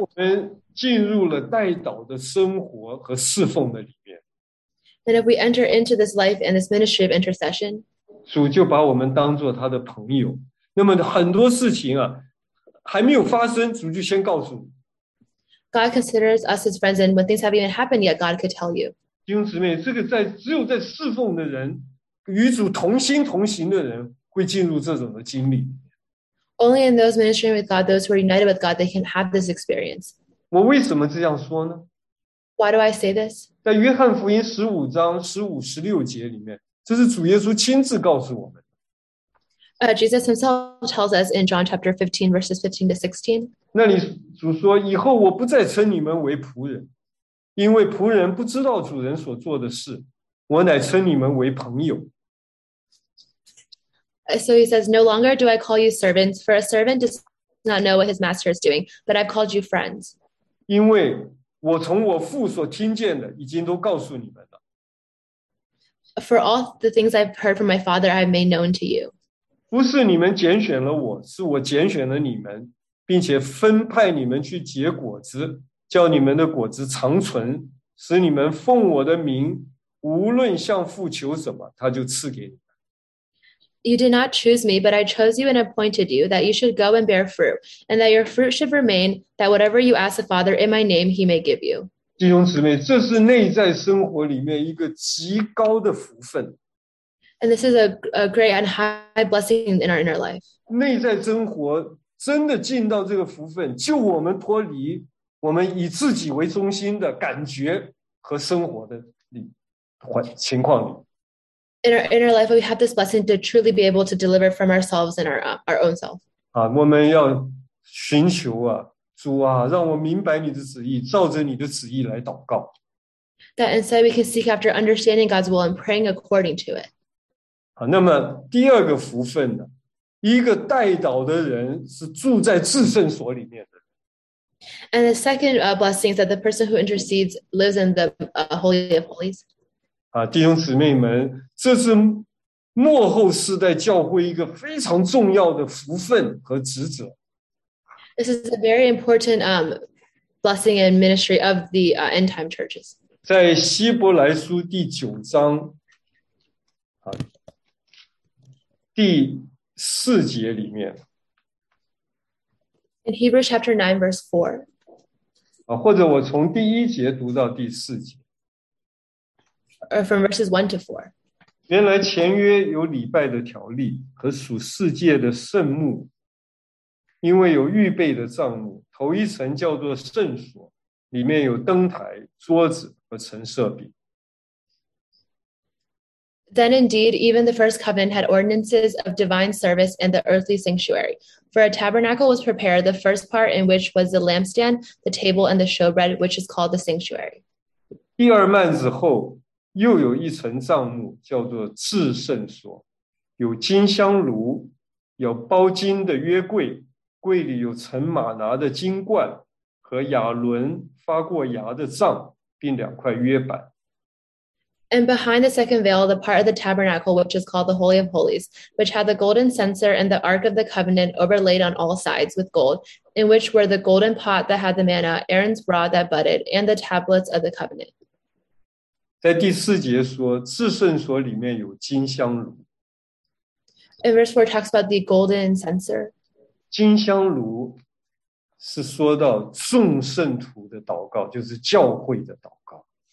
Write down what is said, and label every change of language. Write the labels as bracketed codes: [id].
[zh] 我们进入了代祷的生活和侍奉的里面。 [en] And if we enter into this life and this ministry of intercession, [zh] 主就把我们当作他的朋友。那么很多事情啊，还没有发生，主就先告诉你。 [en] God considers us his friends, and when things haven't even happened yet, God could tell you. [zh] 弟兄姊妹，这个在只有在侍奉的人。与主同心同行的人会进入这种的经历。 [en] Only in those ministering with God, those who are united with God, they can have this experience. [zh] 我为什么这样说呢？ [en] Why do I say this? [zh] 在约翰福音15章15、16节里面，这是主耶稣亲自告诉我们。 [en] Jesus himself tells us in John chapter 15, verses 15 to 16. [zh] 那里主说，以后我不再称你们为仆人，因为仆人不知道主人所做的事。我乃称你们为朋友。 [en] So he says, No longer do I call you servants, for a servant does not know what his master is doing, but I've called you friends. [zh] 因为我从我父所听见的已经都告诉你们了。 [en] For all the things I've heard from my father, I've made known to you. [zh] 不是你们拣选了我，是我拣选了你们，并且分派你们去结果子，叫你们的果子长存，使你们奉我的名无论向父求什么，他就赐给你。 [en] You did not choose me, but I chose you and appointed you that you should go and bear fruit, and that your fruit should remain, that whatever you ask the Father in my name, he may give you. [zh] 弟兄姊妹，这是内在生活里面一个极高的福分。 [en] And this is a great and high blessing in our inner life. [zh] 内在生活真的进到这个福分，就我们脱离我们以自己为中心的感觉和生活的力。情况里 [en] in our life, we have this blessing to truly be able to deliver from ourselves and our own self. [zh] 我们要寻求啊，主啊，让我明白你的旨意，照着你的旨意来祷告。 [en] That instead we can seek after understanding God's will and praying according to it. [zh] 那么第二个福分呢？一个代祷的人是住在至圣所里面的。 [en] And the second blessing is that the person who intercedes lives in the holy of holies. [zh] 弟兄姊妹们，这是末后世代教会一个非常重要的福分和职责。 [en] This is a very important blessing and ministry of the end time churches. [zh] 在希伯来书第九章，第四节里面。 [en] In Hebrews chapter 9, verse 4. [zh] 或者我从第一节读到第四节。 [en] From verses 1 to 4. [zh] 原来前约有礼拜的条例和属世界的圣幕，因为有预备的帐幕，头一层叫做圣所，里面有灯台、桌子和陈设饼。 [en] Then indeed, even the first covenant had ordinances of divine service and the earthly sanctuary. For a tabernacle was prepared, the first part in which was the lampstand, the table, and the showbread, which is called the sanctuary. [zh] 第二幔子后又有一层帐幕，叫做至圣所，有金香炉，有包金的约柜，柜里有盛玛拿的金罐和亚伦发过芽的杖，并两块约板。 [en] And behind the second veil, the part of the tabernacle, which is called the Holy of Holies, which had the golden censer and the Ark of the Covenant overlaid on all sides with gold, in which were the golden pot that had the manna, Aaron's rod that budded, and the tablets of the covenant. [zh] 在第4节说, 至圣所里面有金香炉。 [en] In verse 4, it talks about the golden censer. [zh] 金香炉是说到众圣徒的祷告, 就是教会的祷告。